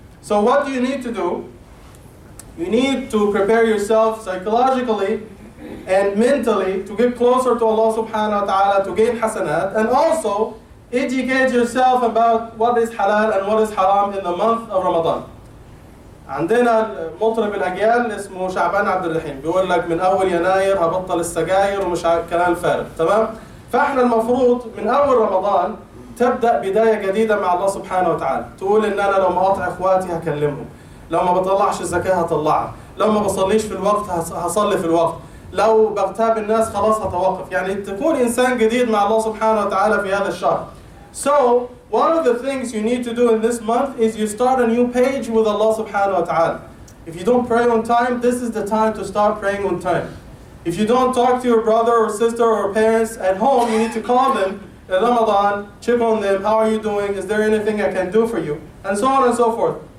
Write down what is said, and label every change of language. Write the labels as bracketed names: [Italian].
[English] So what do you need to do? You need to prepare yourself psychologically and mentally to get closer to Allah subhanahu wa ta'ala, to gain hasanat, and also educate yourself about what is halal and what is haram in the month of Ramadan. [Arabic] عندنا مطرب الأجيال اسمه شعبان عبد الرحيم بيقول لك من أول يناير هبطل السجاير ومش كلام فارغ، تمام؟ فاحنا المفروض من أول رمضان تبدأ بداية جديدة مع الله سبحانه وتعالى، تقول إن أنا لو ما أقطع إخواتي هكلمهم، لو ما بطلعش الزكاة هطلعها، لو ما بصليش في الوقت هصلي في الوقت، لو بغتاب الناس خلاص هتوقف، يعني تكون إنسان جديد مع الله سبحانه وتعالى في هذا الشهر. [English] So one of the things you need to do in this month is you start a new page with Allah subhanahu wa ta'ala. If you don't pray on time, this is the time to start praying on time. If you don't talk to your brother or sister or parents at home, you need to call them in Ramadan, check on them, how are you doing, is there anything I can do for you, and so on and so forth.